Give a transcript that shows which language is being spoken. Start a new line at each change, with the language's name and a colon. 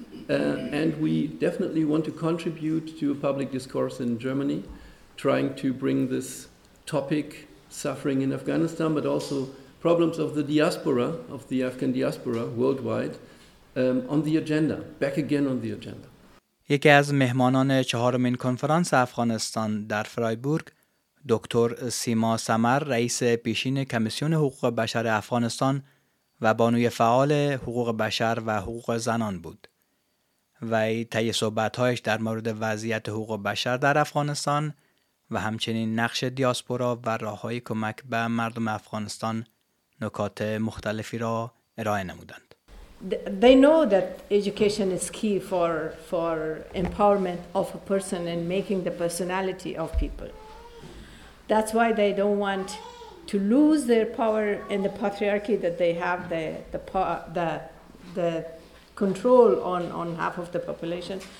English: And we definitely want to contribute to a public discourse in Germany, trying to bring this topic, suffering in Afghanistan, but also problems of the diaspora, of the Afghan diaspora worldwide, on the agenda, back again on the agenda.
Persian: یکی از مهمانان چهارمین کنفرانس افغانستان در فرایبورگ، دکتر سیما سمر، رئیس پیشین کمیسیون حقوق بشر افغانستان و بانوی فعال حقوق بشر و حقوق زنان بود. وی طی صحبت‌هایش در مورد وضعیت حقوق بشر در افغانستان و همچنین نقش دیاسپورا و راه‌های کمک به مردم افغانستان نکات مختلفی را ارائه نمودند.
English: They know that education is key for empowerment of a person and making the personality of people. That's why they don't want to lose their power in the patriarchy that they have the control on half of the population.